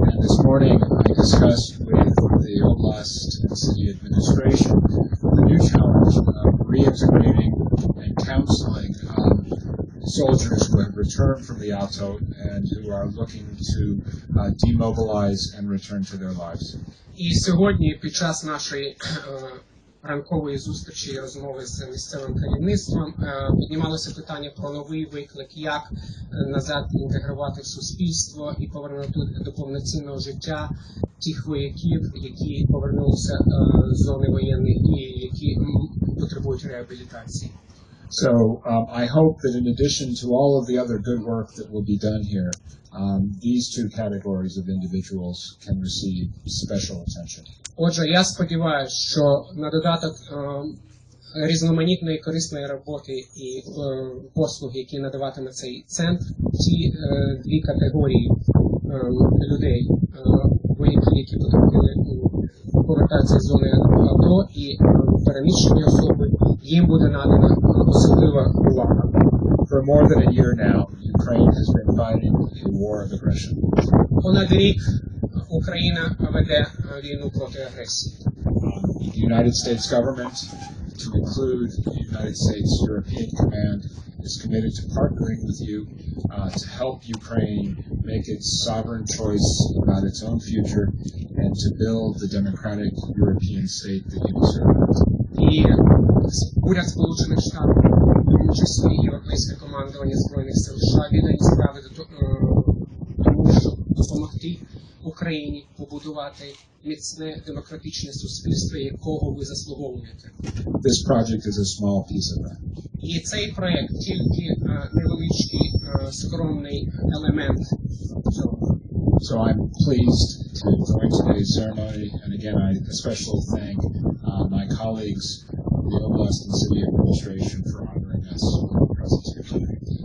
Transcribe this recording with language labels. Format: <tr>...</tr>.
<en>This morning I discussed with the Oblast City Administration the new challenge of reintegrating and counseling soldiers who have returned from the Alto and who are looking to demobilize and return to their lives.</en> <uk>І сьогодні під час нашої ранкової зустрічі і розмови з місцевим керівництвом піднімалося питання про новий виклик, як назад інтегрувати в суспільство і повернути до повноцінного життя тих вояків, які повернулися з зони воєнних дій, які потребують реабілітації.</uk> <en>So, I hope that in addition to all of the other good work that will be done here, these two categories of individuals can receive special attention.</en> <uk>Отже, я сподіваюся, що на додаток різноманітної корисної роботи і послуг, які надаватиме цей центр, ці дві категорії людей, вояків, які потрапили, повертаються з зони АТО і переміщені особи, їм буде надана особлива увага.</uk> <en>For more than a year now, Ukraine has been fighting a war of aggression.</en> <uk>Понад рік Україна веде війну проти агресії.</uk> <en>The United States government, to include the United States European Command, is committed to partnering with you to help Ukraine make its sovereign choice about its own future and to build the democratic European state that you deserve.</en> <uk>Уряд Сполучених Штатів, в тому числі Європейське командування Збройних сил США, віддані справи до того, щоб допомогти Україні побудувати міцне демократичне суспільство, якого ви заслуговуєте.</uk> <en>This project is a small piece of that.</en> <uk>І цей проєкт тільки невеличкий, скромний елемент цього.</uk> <en>So I'm pleased to join today's ceremony, and again, I especially thank my colleagues, the Oblast and City Administration, for honoring us with your presence here today.</en>